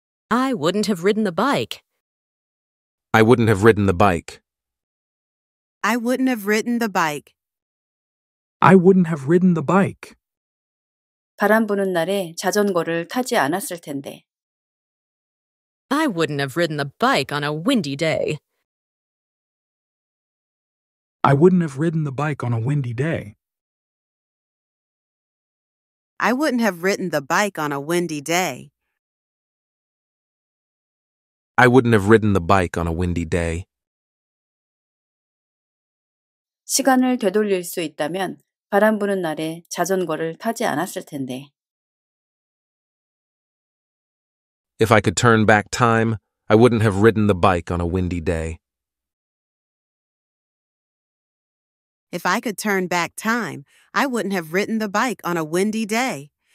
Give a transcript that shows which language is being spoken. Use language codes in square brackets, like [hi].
[en] I wouldn't have ridden the bike. I wouldn't have ridden the bike. I wouldn't have ridden the bike. I wouldn't have ridden the bike. [ko] 바람 부는 날에 자전거를 타지 않았을 텐데. [en] I wouldn't have ridden the bike on a windy day. I wouldn't have ridden the bike on a windy day. I wouldn't have ridden the bike on a windy day. I wouldn't have ridden the bike on a windy day. [ko] 시간을 되돌릴 수 있다면 바람 부는 날에 자전거를 타지 않았을 텐데. [en] If I could turn back time, I wouldn't have ridden the bike on a windy day. If I could turn back time, I wouldn't have ridden the bike on a windy day.